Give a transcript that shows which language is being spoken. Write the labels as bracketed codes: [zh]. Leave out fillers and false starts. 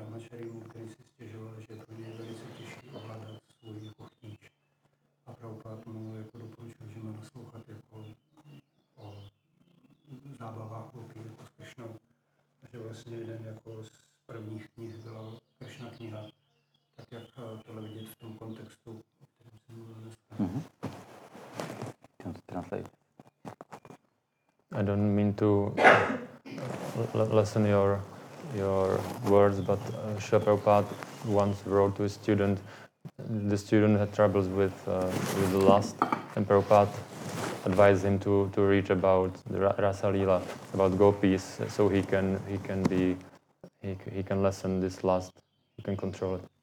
[cs] Kterýmu, který si stěžoval, že pro něj je velice těžký ovládat svůj jako chtíč. A Prabhupád mu jako doporučil, že má naslouchat jako o zábavách hluky jako s Kršnou. Takže vlastně jeden jako z prvních knih byla Kršna kniha. Tak jak tohle vidět v tom kontextu, o kterém jsem mluvil dneska. [en] I don't mean to lessen your words, but Srila Prabhupada once wrote to a student, the student had troubles with the lust, and Prabhupada advised him to read about the Rasa Lila, about gopis, so he can lessen this lust, he can control it.